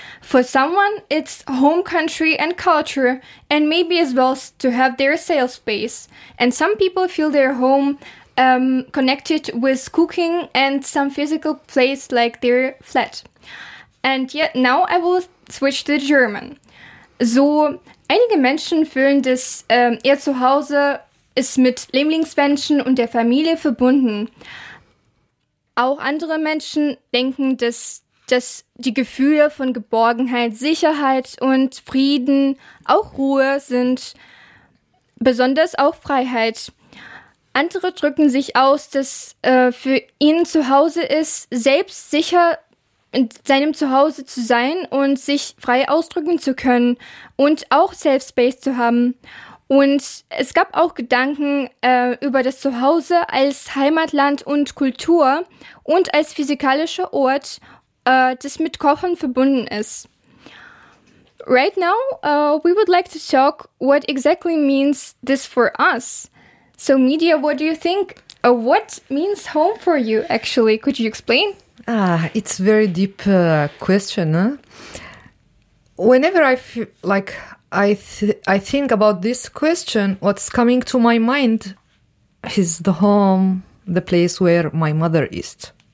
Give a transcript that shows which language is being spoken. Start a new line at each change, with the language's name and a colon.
English: For someone, it's home country and culture, and maybe as well to have their safe space. And some people feel their home connected with cooking and some physical place like their flat. And yet now I will switch to German.
German: So, einige Menschen fühlen, dass ihr Zuhause ist mit Lieblingsmenschen und der Familie verbunden. Auch andere Menschen denken, dass die Gefühle von Geborgenheit, Sicherheit und Frieden, auch Ruhe sind, besonders auch Freiheit. Andere drücken sich aus, dass für ihn zu Hause ist, selbst sicher in seinem Zuhause zu sein und sich frei ausdrücken zu können und auch Safe Space zu haben. Und es gab auch Gedanken über das Zuhause als Heimatland und Kultur und als physikalischer Ort, das mit Kochen verbunden ist.
English: Right now, we would like to talk what exactly means this for us. So, Media, what do you think? What means home for you, actually? Could you explain? It's a very deep question. Huh? Whenever I feel like I think about this question, what's coming to my mind is the home, the place where my mother is.